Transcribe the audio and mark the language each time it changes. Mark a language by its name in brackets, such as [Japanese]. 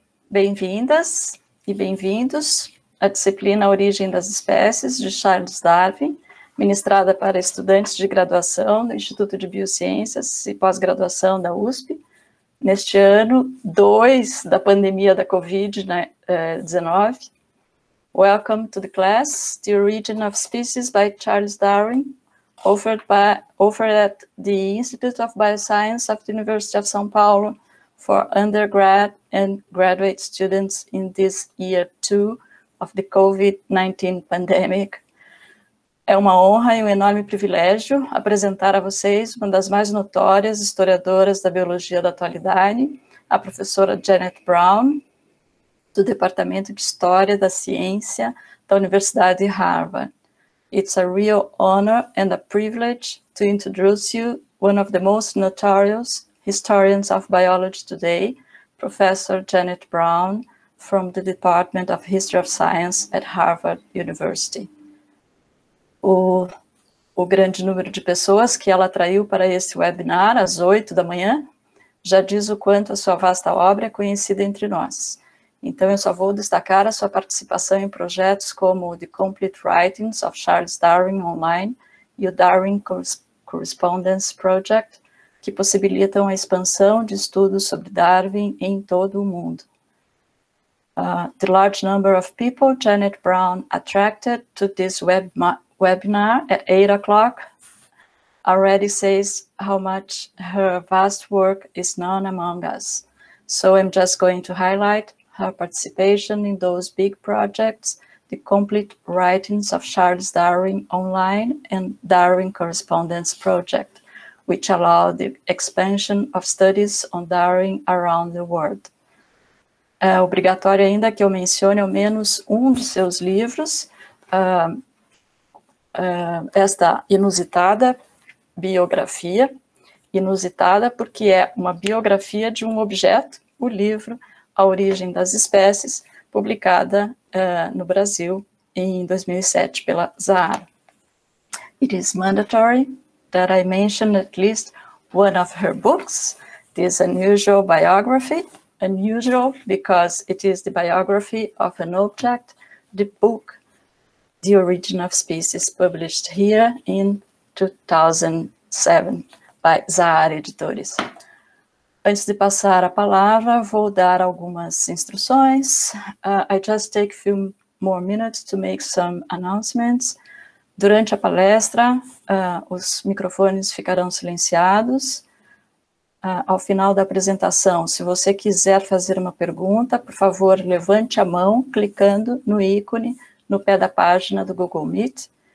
[Portuguese] Bem-vindas e bem-vindos à disciplina Origem das Espécies, de Charles Darwin, ministrada para estudantes de graduação no Instituto de Biociências e pós-graduação da USP, neste ano 2 da pandemia da Covid-19. [English] Welcome to the class, The Origin of Species by Charles Darwin, offered at the Institute of Bioscience of the University of São Paulo, for undergrad and graduate students in this year 2 of the COVID-19 pandemic. [Portuguese] É uma honra e um enorme privilégio apresentar a vocês uma das mais notórias historiadoras da biologia da atualidade, a professora Janet Browne, do Departamento de História da Ciência da Universidade de Harvard. [English] It's a real honor and a privilege to introduce you one of the most notorious historians of biology today, Professor Janet Browne from the Department of History of Science at Harvard University. [Portuguese] O grande número de pessoas que ela atraiu para esse webinar às 8 da manhã já diz o quanto a sua vasta obra é conhecida entre nós. Então, eu só vou destacar a sua participação em projetos como The Complete Writings of Charles Darwin Online e o Darwin Correspondence Project, que possibilitam a expansão de estudos sobre Darwin em todo o mundo. [English] The large number of people Janet Browne attracted to this webinar at 8 o'clock already says how much her vast work is known among us. So I'm just going to highlight her participation in those big projects, the complete writings of Charles Darwin Online and Darwin Correspondence Project, which allow the expansion of studies on Darwin around the world. [Portuguese] É obrigatório ainda que eu mencione ao menos um dos seus livros, esta inusitada biografia, inusitada porque é uma biografia de um objeto, o livro A Origem das Espécies, publicada no Brasil em 2007 pela Zahara. [English] It is mandatory that I mention at least one of her books, this unusual biography, unusual because it is the biography of an object, the book, The Origin of Species, published here in 2007 by Zahara Editores. [Portuguese] Antes de passar a palavra, vou dar algumas instruções. [English] I just take a few more minutes to make some announcements. [Portuguese] Durante a palestra, os microfones ficarão silenciados. Ao final da apresentação, se você quiser fazer uma pergunta, por favor, levante a mão clicando no ícone no pé da página do Google Meet.